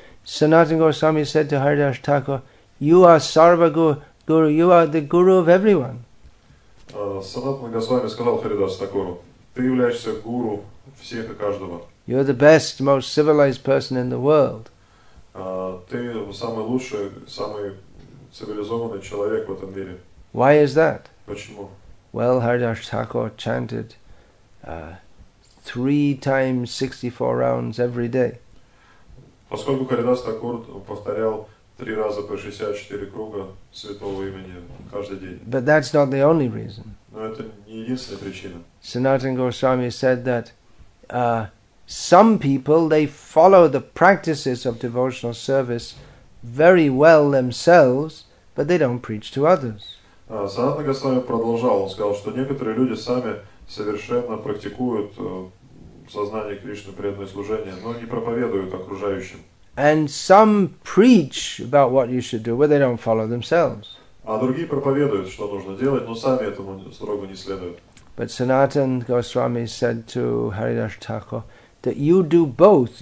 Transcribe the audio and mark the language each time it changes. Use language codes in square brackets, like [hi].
[en] Sanatana Goswami said to Haridas Thakur, you are sarva guru, you are the guru of everyone. [ru] Sanatana Goswami сказал Haridas Thakur, ты являешься гуру всех и каждого. [en] You are the best, most civilized person in the world. [ru] Ты самый лучший, самый цивилизованный человек в этом мире. [en] Why is that? [ru] Почему? [en] Well, Haridas Thakur chanted 3 times 64 rounds every day. [ru] Поскольку Харидас Такур повторял 3 раза по 64 круга святого имени каждый день. [en] But that's not the only reason. [ru] Но это не единственная причина. [en] Sanatana Goswami said that some people, they follow the practices of devotional service very well themselves, but they don't preach to others. [ru] Sanatana Goswami продолжал, он сказал, что некоторые люди сами совершенно практикуют сознание Кришны, преданное служение, но не проповедуют окружающим. [en] And some preach about what you should do, but they don't follow themselves. [ru] А другие проповедуют, что нужно делать, но сами этому строго не следуют. [en] But Sanatana Goswami said to Haridas Thakur that you do both.